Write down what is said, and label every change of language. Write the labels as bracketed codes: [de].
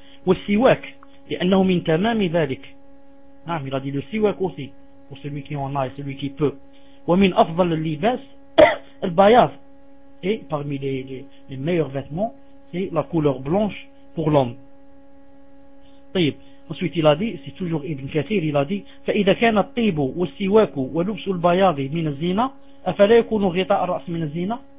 [ar] والسواك لأنه من تمام ذلك. [fr] نعم il a dit le siwak aussi pour celui qui en a et celui qui peut. [ar] ومن أفضل اللباس البياض [fr] Et parmi les meilleurs vêtements, c'est la couleur blanche pour l'homme. [ar] طيب. [fr] Ensuite, il a dit, [ar] c'est toujours Ibn Kathir, il a dit, فَإِذَا كَانَ الطِّيبُ وَالسِّوَاكُ وَلُبْسُ الْبَيَاضِ مِنَ الزِّينَ أَفَلَا يَكُونُ غِطَاءَ الرَّأْسِ مِنَ الزِّينَ.